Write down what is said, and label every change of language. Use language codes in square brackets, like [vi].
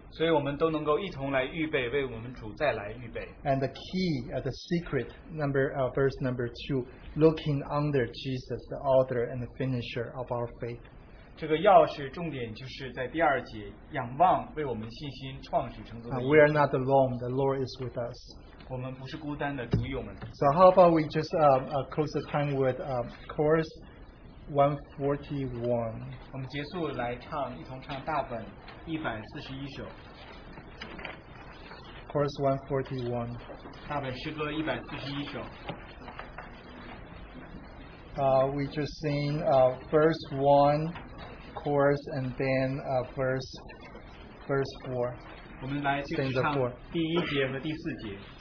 [zh] 所以我们都能够一同来预备，为我们主再来预备。 [en] And the key, the secret, verse number two, looking under Jesus, the author and the finisher of our faith. [zh] 这个钥匙重点就是在第二节，仰望为我们信心创始成宗的。 [en] We are not alone. The Lord is with us. [zh] 我们不是孤单的，主与我们。 [en] So how about we just close the time with chorus? 141. [zh] 我们结束来唱，一同唱大本141首。 [en] Chorus 141. [zh] 大本诗歌141首。 [en] We just sing verse 1, chorus, and then verse 4. [zh] 我们来就唱第一节和第四节。